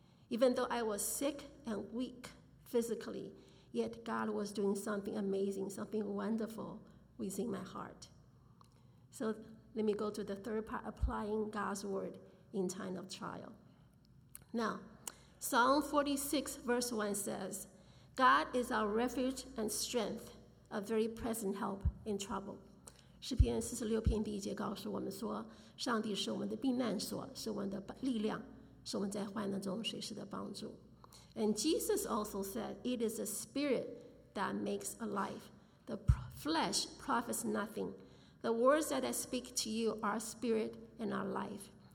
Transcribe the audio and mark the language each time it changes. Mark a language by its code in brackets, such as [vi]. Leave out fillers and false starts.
[en] Even though I was sick and weak physically, yet God was doing something amazing, something wonderful within my heart. So let me go to the third part, applying God's word in time of trial. Now, Psalm 46, verse 1 says, God is our refuge and strength, a very present help in trouble. [zh] 诗篇46篇第一节告诉我们说，上帝是我们的避难所，是我们的力量，是我们在患难中随时的帮助。 [en] And Jesus also said, it is the spirit that makes alive. The flesh profits nothing. The words that I speak to you are spirit and are life.